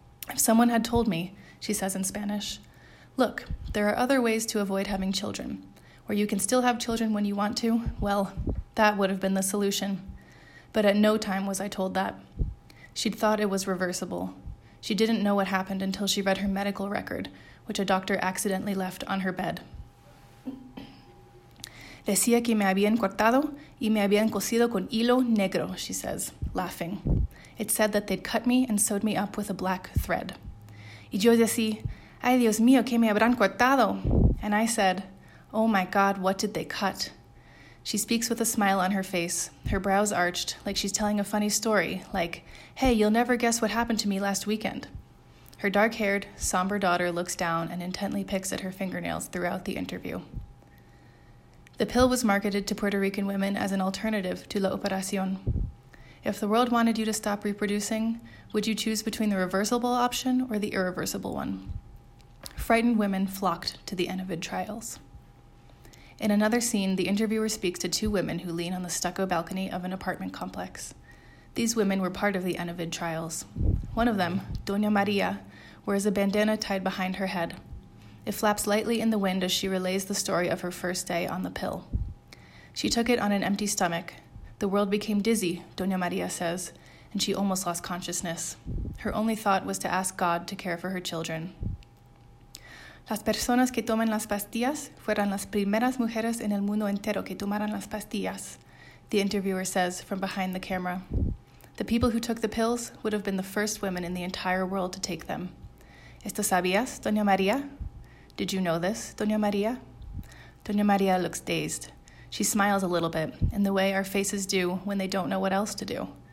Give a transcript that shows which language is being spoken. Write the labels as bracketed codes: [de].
[en] "If someone had told me," she says in Spanish, "look, there are other ways to avoid having children, where you can still have children when you want to, well, that would have been the solution. But at no time was I told that." She'd thought it was reversible. She didn't know what happened until she read her medical record, which a doctor accidentally left on her bed. [es] "Decía que me habían cortado y me habían cosido con hilo negro," [en] she says, laughing. "It said that they'd cut me and sewed me up with a black thread." [es] "Y yo decía, ay Dios mío, que me habrán cortado." [en] And I said, "Oh my God, what did they cut?" She speaks with a smile on her face, her brows arched, like she's telling a funny story, like, "Hey, you'll never guess what happened to me last weekend." Her dark-haired, somber daughter looks down and intently picks at her fingernails throughout the interview. The pill was marketed to Puerto Rican women as an alternative to la operación. If the world wanted you to stop reproducing, would you choose between the reversible option or the irreversible one? Frightened women flocked to the Enovid trials. In another scene, the interviewer speaks to two women who lean on the stucco balcony of an apartment complex. These women were part of the Enovid trials. One of them, Doña Maria, wears a bandana tied behind her head. It flaps lightly in the wind as she relays the story of her first day on the pill. She took it on an empty stomach. The world became dizzy, Doña Maria says, and she almost lost consciousness. Her only thought was to ask God to care for her children. [es] Las personas que toman las pastillas fueron las primeras mujeres en el mundo entero que tomaron las pastillas, [en] the interviewer says from behind the camera. The people who took the pills would have been the first women in the entire world to take them. [es] ¿Esto sabías, Doña María? [en] Did you know this, Doña María? Doña María looks dazed. She smiles a little bit, in the way our faces do when they don't know what else to do.